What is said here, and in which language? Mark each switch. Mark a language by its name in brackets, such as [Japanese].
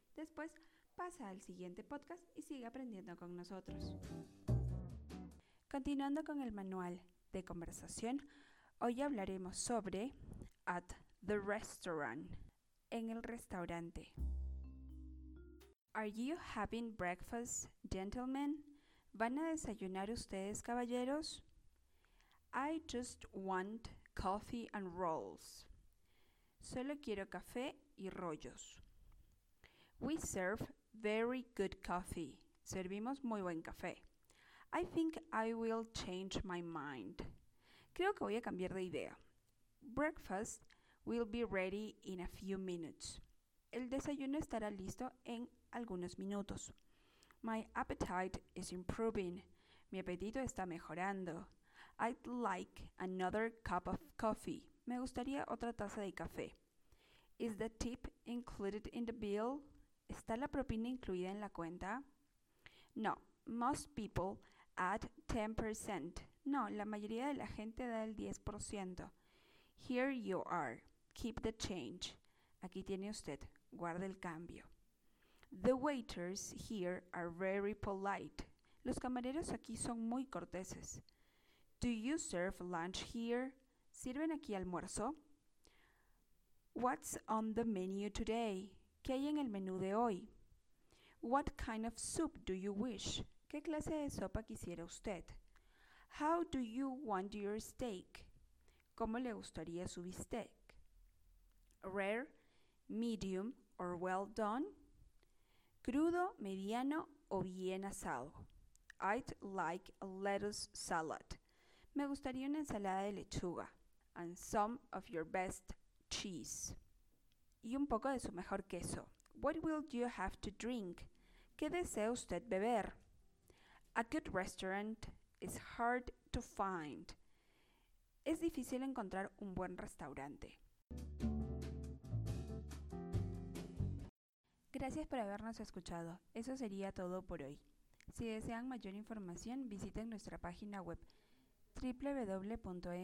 [Spanish] Después, pasa al siguiente podcast y sigue aprendiendo con nosotros. Continuando con el manual de conversación, hoy hablaremos sobre [English] at the restaurant, [Spanish] en el restaurante. [English] Are you having breakfast, gentlemen? [Spanish] ¿Van a desayunar ustedes, caballeros? [English] I just want coffee and rolls. [Spanish] Solo quiero café y rollos. [English] We serve very good coffee. [Spanish] Servimos muy buen café. [English] I think I will change my mind. [Spanish] Creo que voy a cambiar de idea. [English] Breakfast will be ready in a few minutes. [Spanish] El desayuno estará listo en algunos minutos. [English] My appetite is improving. [Spanish] Mi apetito está mejorando. [English] I'd like another cup of coffee. [Spanish] Me gustaría otra taza de café. [English] Is the tip included in the bill? [Spanish] ¿Está la propina incluida en la cuenta? [English] No, most people add 10%. [Spanish] No, la mayoría de la gente da el 10%. [English] Here you are. Keep the change. [Spanish] Aquí tiene usted. Guarde el cambio. [English] The waiters here are very polite. [Spanish] Los camareros aquí son muy corteses. [English] Do you serve lunch here? [Spanish] ¿Sirven aquí almuerzo? [English] What's on the menu today? [Spanish] ¿Qué hay en el menú de hoy? [English] What kind of soup do you wish? [Spanish] ¿Qué clase de sopa quisiera usted? [English] How do you want your steak? [Spanish] ¿Cómo le gustaría su bistec? [English] Rare, medium or well done? [Spanish] Crudo, mediano o bien asado. [English] I'd like a lettuce salad. [Spanish] Me gustaría una ensalada de lechuga. [English] And some of your best cheese. [Spanish] Y un poco de su mejor queso. [English] What will you have to drink? [Spanish] ¿Qué desea usted beber? [English] A good restaurant is hard to find. [Spanish] Es difícil encontrar un buen restaurante. Gracias por habernos escuchado. Eso sería todo por hoy. Si desean mayor información, visiten nuestra página web www.mlc.edu.pe.